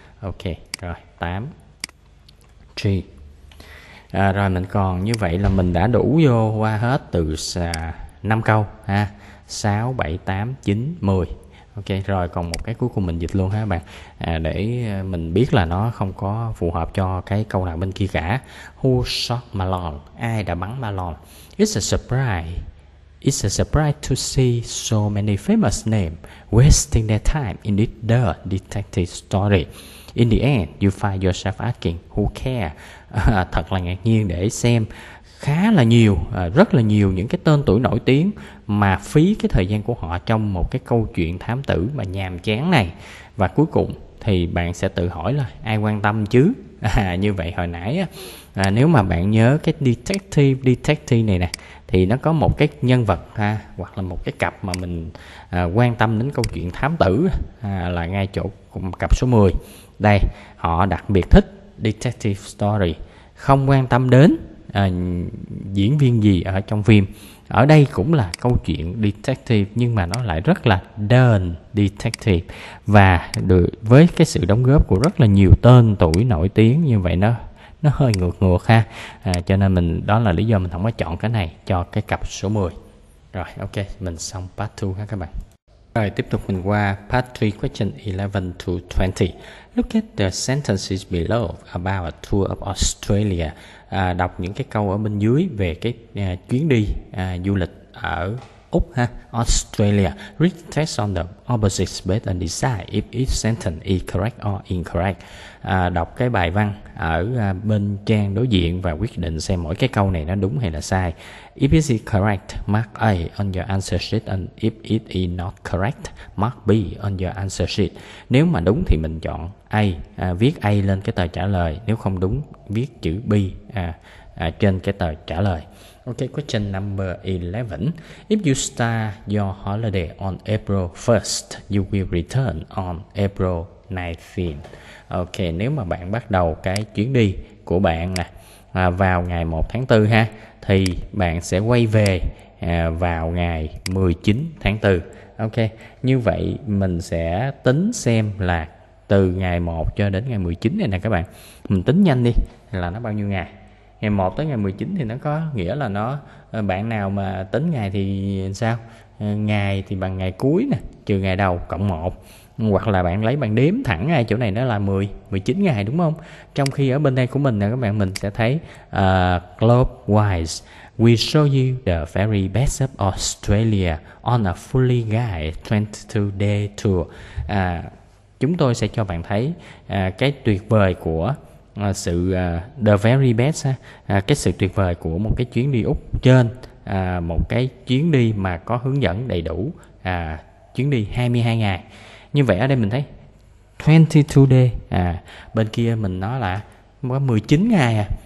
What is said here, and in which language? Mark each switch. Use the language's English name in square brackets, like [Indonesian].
[Vietnamese] Ok, rồi 8 G. Rồi mình còn như vậy là mình đã đủ vô qua hết từ 5 câu ha. 6, 7, 8, 9, 10. Ok, rồi còn một cái cuối cùng mình dịch luôn ha bạn. Để mình biết là nó không có phù hợp cho cái câu nào bên kia cả. [English] Who shot Malone? [Vietnamese] Ai đã bắn Malone? [English] It's a surprise. It's a surprise to see so many famous names wasting their time in this dirt detective story. In the end, you find yourself asking, who care? [Vietnamese] Thật là ngạc nhiên để xem khá là nhiều, rất là nhiều những cái tên tuổi nổi tiếng mà phí cái thời gian của họ trong một cái câu chuyện thám tử mà nhàm chán này. Và cuối cùng thì bạn sẽ tự hỏi là ai quan tâm chứ? Như vậy hồi nãy, nếu mà bạn nhớ cái detective này nè, thì nó có một cái nhân vật ha, hoặc là một cái cặp mà mình quan tâm đến câu chuyện thám tử là ngay chỗ cặp số 10. Đây, họ đặc biệt thích detective story, không quan tâm đến diễn viên gì ở trong phim. Ở đây cũng là câu chuyện detective nhưng mà nó lại rất là đơn detective, và được với cái sự đóng góp của rất là nhiều tên tuổi nổi tiếng. Như vậy nó hơi ngược ngược ha. Cho nên mình, đó là lý do mình không có chọn cái này cho cái cặp số 10. Rồi ok, mình xong part 2 ha các bạn. Rồi tiếp tục mình qua part 3, [English] question 11 to 20. Look at the sentences below about a tour of Australia. [Vietnamese] Đọc những cái câu ở bên dưới về cái chuyến đi du lịch ở Úc ha. [English] Australia. Read text on the opposite space and decide if each sentence is correct or incorrect. [Vietnamese] Đọc cái bài văn ở bên trang đối diện và quyết định xem mỗi cái câu này nó đúng hay là sai. [English] If it is correct, mark A on your answer sheet, and if it is not correct, mark B on your answer sheet. [Vietnamese] Nếu mà đúng thì mình chọn A, viết A lên cái tờ trả lời. Nếu không đúng, viết chữ B trên cái tờ trả lời. [English] Ok, question number 11. If you start your holiday on April 1st, you will return on April 19th. [Vietnamese] Ok, nếu mà bạn bắt đầu cái chuyến đi của bạn vào ngày 1 tháng 4 ha, thì bạn sẽ quay về vào ngày 19 tháng 4. Ok, như vậy mình sẽ tính xem là từ ngày 1 cho đến ngày 19 này nè các bạn. Mình tính nhanh đi là nó bao nhiêu ngày. Ngày 1 tới ngày 19 thì nó có nghĩa là nó, bạn nào mà tính ngày thì sao? Ngày thì bằng ngày cuối nè, trừ ngày đầu cộng 1. Hoặc là bạn lấy bạn đếm thẳng ngay chỗ này nó là 10, 19 ngày đúng không? Trong khi ở bên đây của mình nè các bạn, mình sẽ thấy clockwise. [English] We show you the very best of Australia on a fully guided 22-day tour. [Vietnamese] Chúng tôi sẽ cho bạn thấy cái tuyệt vời của sự [English] the very best [Vietnamese] ha, cái sự tuyệt vời của một cái chuyến đi Úc trên một cái chuyến đi mà có hướng dẫn đầy đủ, chuyến đi 22 ngày. Như vậy ở đây mình thấy 22 day, bên kia mình nói là 19 ngày à.